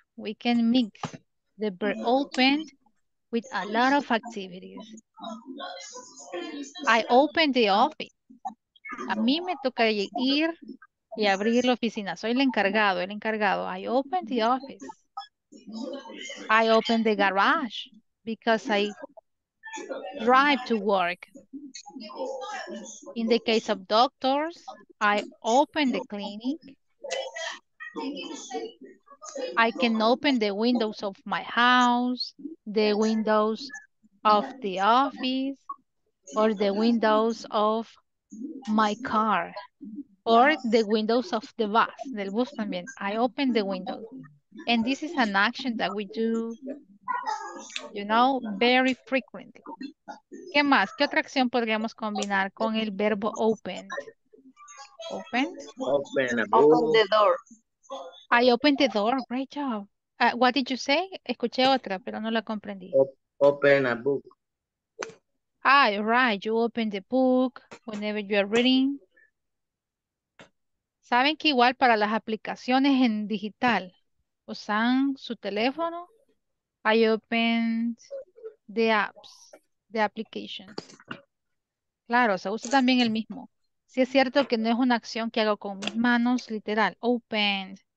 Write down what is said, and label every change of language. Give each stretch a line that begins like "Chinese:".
English: We can mix the verb open with a lot of activities. I open the office.
Spanish: A mí me toca ir y abrir la oficina.
English: Soy el encargado. I open the office. I open the garage because I drive to work. In the case of doctors, I open the clinic. I can open the windows of my house, the windows of the office, or the windows of my car, or the windows of the bus, del bus también. I open the window. And this is an action that we do, you know, very frequently.
Spanish: ¿Qué más? ¿Qué otra acción podríamos combinar con el verbo opened?
English: Open? Open. Open the door. I opened the door. Great job. What did you say? Escuché otra, pero no la comprendí. Open a book. Ah, right. You open the book whenever you are reading.
Spanish: ¿Saben que igual para las aplicaciones en digital usan su teléfono?
English: I opened the apps, the applications.
Spanish: Claro, se usa también el mismo. Sí es cierto que no es una acción que hago con mis manos, literal, opened.